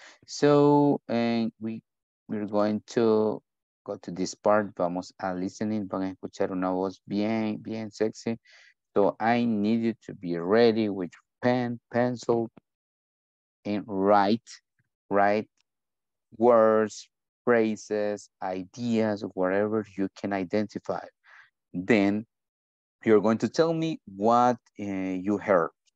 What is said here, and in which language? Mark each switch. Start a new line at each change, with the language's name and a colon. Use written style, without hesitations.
English: So, and we're going to go to this part.
Spanish: Vamos a listening, van a escuchar una voz bien, bien sexy.
English: So, I need you to be ready with pen, pencil, and write. Words, phrases, ideas, whatever you can identify. Then you're going to tell me what you heard.